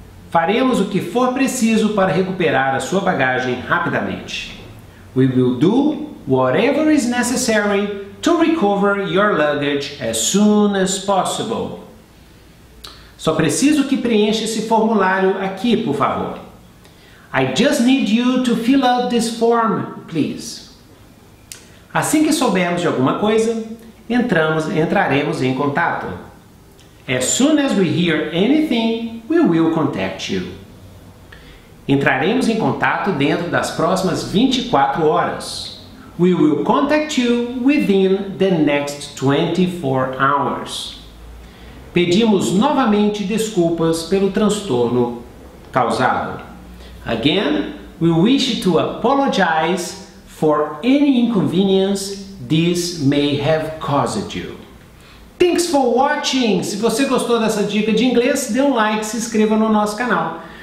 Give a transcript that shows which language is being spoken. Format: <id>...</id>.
<pt>Faremos o que for preciso para recuperar a sua bagagem rapidamente.</pt> <en>We will do whatever is necessary to recover your luggage as soon as possible.</en> <pt>Só preciso que preencha esse formulário aqui, por favor.</pt> <en>I just need you to fill out this form, please.</en> <pt>Assim que soubermos de alguma coisa, entraremos em contato.</pt> <en>As soon as we hear anything, we will contact you.</en> <pt>Entraremos em contato dentro das próximas 24 horas.</pt> <en>We will contact you within the next 24 hours.</en> <pt>Pedimos novamente desculpas pelo transtorno causado.</pt> <en>Again, we wish to apologize for any inconvenience this may have caused you. Thanks for watching!</en> <pt>Se você gostou dessa dica de inglês, dê um like e se inscreva no nosso canal.</pt>